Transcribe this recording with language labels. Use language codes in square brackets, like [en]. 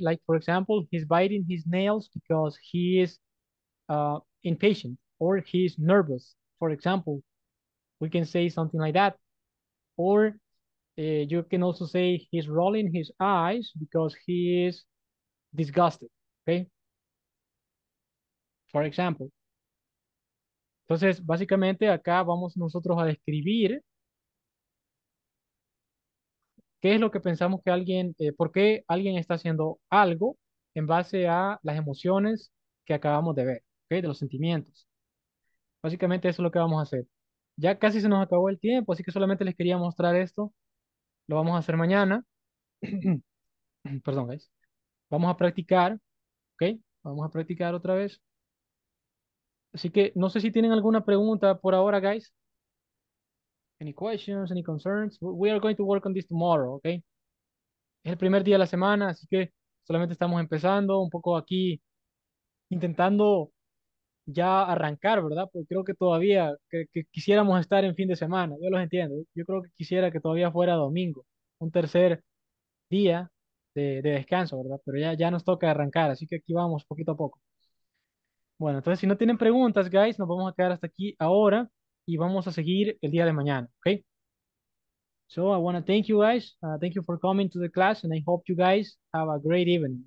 [en] Like, for example, he's biting his nails because he is impatient or he's nervous. For example, we can say something like that. Or you can also say he's rolling his eyes because he is disgusted, okay? For example. [es] Entonces, básicamente, acá vamos nosotros a describir ¿qué es lo que pensamos que alguien, por qué alguien está haciendo algo en base a las emociones que acabamos de ver, ¿okay? De los sentimientos? Básicamente eso es lo que vamos a hacer. Ya casi se nos acabó el tiempo, así que solamente les quería mostrar esto. Lo vamos a hacer mañana. Perdón, guys. Vamos a practicar, ¿ok? Vamos a practicar otra vez. Así que no sé si tienen alguna pregunta por ahora, guys. [en] Any questions, any concerns? We are going to work on this tomorrow, okay? [es] Es el primer día de la semana, así que solamente estamos empezando un poco aquí, intentando ya arrancar, ¿verdad? Porque creo que todavía que quisiéramos estar en fin de semana, yo los entiendo. Yo creo que quisiera que todavía fuera domingo, un tercer día de descanso, ¿verdad? Pero ya nos toca arrancar, así que aquí vamos poquito a poco. Bueno, entonces si no tienen preguntas, guys, nos vamos a quedar hasta aquí ahora. Y vamos a seguir el día de mañana, okay? [en] So I want to thank you guys. Thank you for coming to the class. And I hope you guys have a great evening.